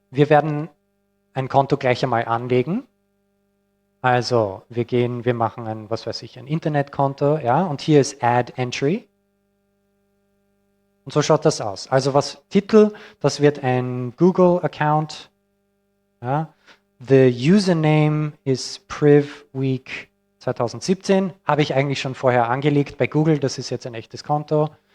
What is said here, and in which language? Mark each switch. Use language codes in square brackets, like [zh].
[de] Wir werden ein Konto gleich einmal anlegen. Also wir machen ein, was weiß ich, ein Internetkonto, ja. Und hier ist Add Entry. Und so schaut das aus. Also was Titel, das wird ein Google Account. Ja? [en] The Username is PrivWeek 2017. [de] Habe ich eigentlich schon vorher angelegt bei Google. Das ist jetzt ein echtes Konto.